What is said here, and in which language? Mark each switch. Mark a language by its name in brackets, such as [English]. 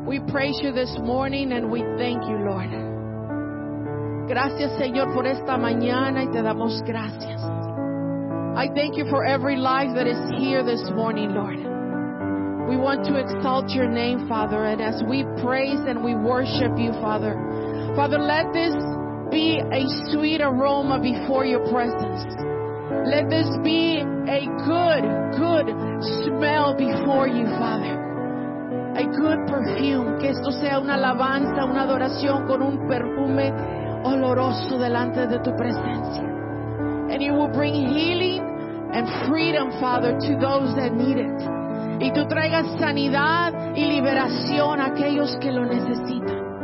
[English] praise you this morning and we thank you, Lord. [Spanish] Gracias, Señor, por esta mañana y te damos gracias. [English] I thank you for every life that is here this morning, Lord. We want to exalt your name, Father, and as we praise and we worship you, Father. Father, let this be a sweet aroma before your presence. Let this be a good, good smell before you, Father. A good perfume. [Spanish] Que esto sea una alabanza, una adoración con un perfume oloroso delante de tu presencia. [English] And you will bring healing and freedom, Father, to those that need it. [Spanish] Y tú traigas sanidad y liberación a aquellos que lo necesitan.